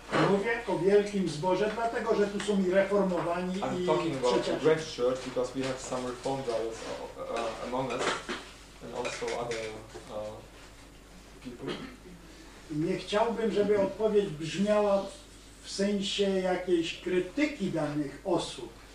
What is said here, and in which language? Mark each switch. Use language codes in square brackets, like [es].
[pl] Mówię o wielkim zborze, dlatego że tu są i reformowani [en] I'm talking about the great church because we have some reformed brothers among us and also other people. [pl] Nie chciałbym, żeby odpowiedź brzmiała w sensie jakiejś krytyki danych osób.